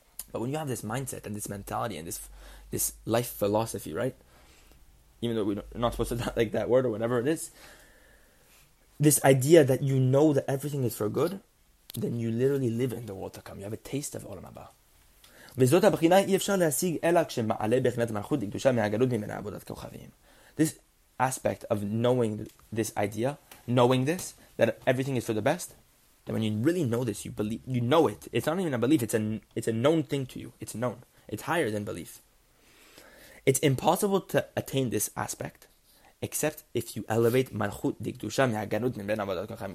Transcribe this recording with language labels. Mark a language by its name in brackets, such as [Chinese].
[English] But when you have this mindset and this mentality and this life philosophy, right? Even though we're not supposed to like that word or whatever it is, this idea that you know that everything is for good, then you literally live in the world to come. You have a taste of Olam Haba. [Hebrew] וזאת הבחינה אי אפשר להשיג אלא כשמעלה בחינת המלכות לקדושה מהגלות ממנה עבודת כוכבים. [English] This aspect of knowing this idea, knowing this, that everything is for the best, that when you really know this, you believe, you know it. It's not even a belief. It's a known thing to you. It's known. It's higher than belief. It's impossible to attain this aspect, except if you elevate [Hebrew] Malchut Dikdusha Mi'agarut Min Ben Avodot Kochavim.